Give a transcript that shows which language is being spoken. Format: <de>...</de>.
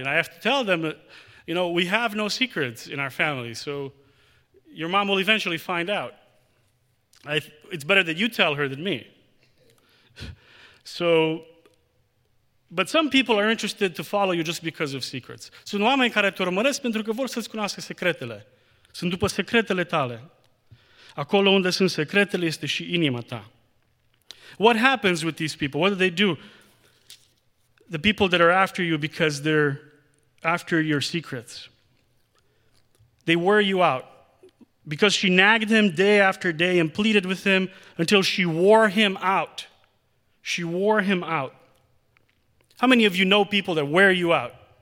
<en>And I have to tell them, you know, we have no secrets in our family, so your mom will eventually find out. It's better that you tell her than me. So, but some people are interested to follow you just because of secrets.</en> <ro>Sunt oameni care te urmăresc pentru că vor să-ți cunoască secretele. Sunt după secretele tale. Acolo unde sunt secretele este și inima ta.</ro> <en>What happens with these people? What do? The people that are after you because they're after your secrets. They wear you out. Because she nagged him day after day and pleaded with him until she wore him out. She wore him out. How many of you know people that wear you out?</en>